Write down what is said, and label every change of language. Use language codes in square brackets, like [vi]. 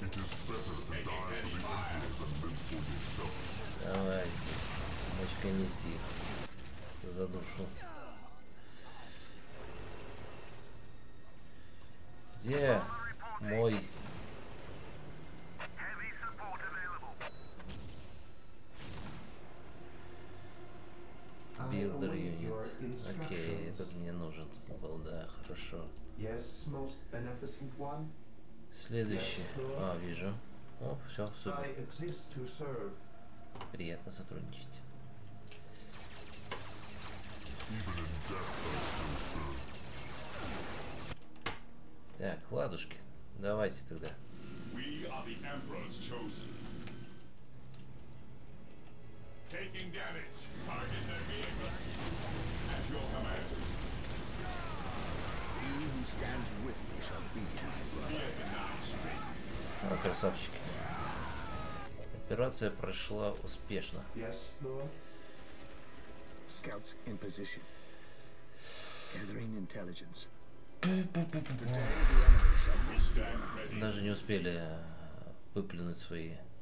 [en] It is better to die for the Emperor than live for yourself. [ru] Давайте, очканите их за душу. Где мой? [en] Builder unit. [ru] Окей, этот мне нужен был, да, хорошо. [en] Yes, most beneficent one. [ru] Следующий. А, вижу. О, все, супер. [en] I exist to serve. [ru] Приятно сотрудничать. Так, ладушки, давайте тогда. [en] We are the Emperor's chosen. Taking damage, target their vehicle. At your command. He who stands with me shall be my brother. [ru] О, красавчики. Операция прошла успешно. [en] Yes, Lord. Scouts in position. Gathering intelligence. [ru] Даже не успели выплюнуть свои.